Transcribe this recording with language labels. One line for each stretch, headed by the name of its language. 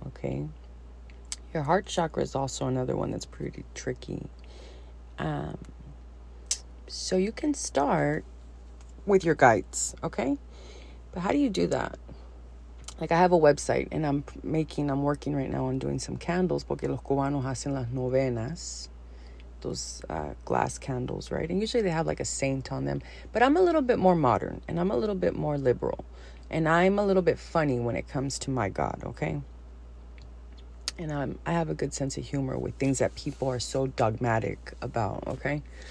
English: Okay, your heart chakra is also another one that's pretty tricky. So you can start with your guides. Okay, but how do you do that? Like, I have a website and I'm working right now on doing some candles.
Spanish: Porque los cubanos hacen las novenas.
English: Those glass candles, right? And usually they have like a saint on them. But I'm a little bit more modern and I'm a little bit more liberal and I'm a little bit funny when it comes to my God, okay? And I have a good sense of humor with things that people are so dogmatic about, okay?